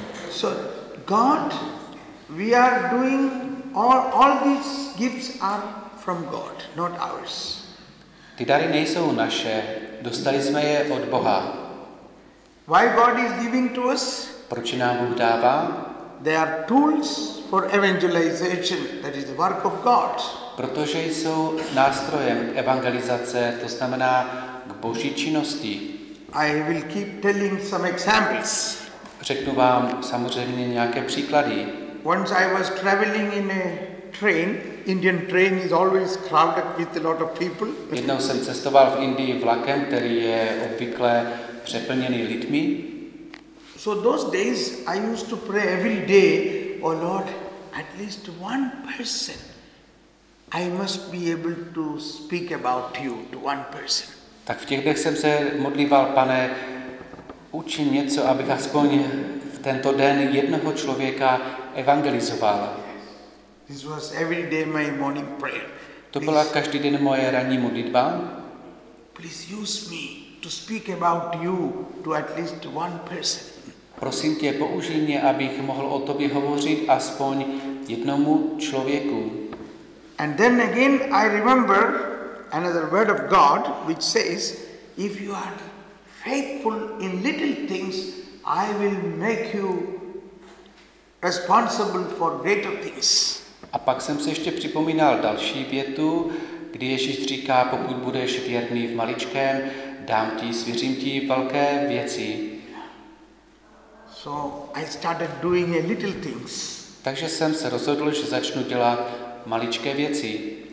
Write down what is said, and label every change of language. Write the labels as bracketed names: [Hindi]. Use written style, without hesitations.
[English] So, God, we are doing all these gifts are from God, not ours. [Czech] Ty dary nejsou naše, dostali jsme je od Boha. [English] Why God is giving to us? [Czech] Proč nám Bůh dává? [English] They are tools for evangelization, that is the work of God. [Czech] Protože jsou nástrojem evangelizace, to znamená k Boží činnosti. [English] I will keep telling some examples. [Czech] řeknu vám samozřejmě nějaké příklady. [English] Once I was traveling in a train. Indian train is always crowded with a lot of people. [Czech] Jednou jsem cestoval v Indii vlakem, který je obvykle přeplněný lidmi. [English] So those days I used to pray every day, oh Lord, at least one person I must be able to speak about you to one person. [Czech] Tak v těch dnech jsem se modlíval, Pane, učin něco, abych aspoň v tento den jednoho člověka evangelizoval. [English] This was every day my morning prayer. [Czech] To byla každý den moje ranní modlitba. [English] Please use me to speak about you to at least one person. [Czech] Prosím tě, použij mě, abych mohl o tobě hovořit aspoň jednomu člověku. [English] And then again I remember another word of God which says, if you are faithful in little things, I will make you responsible for greater things. [Czech] A pak jsem se ještě připomínal další větu, kdy Ježíš říká, pokud budeš věrný v maličkém, dám ti, svěřím ti velké věci. [English] So I started doing a little things. [Czech] Takže jsem se rozhodl, že začnu dělat maličké věci.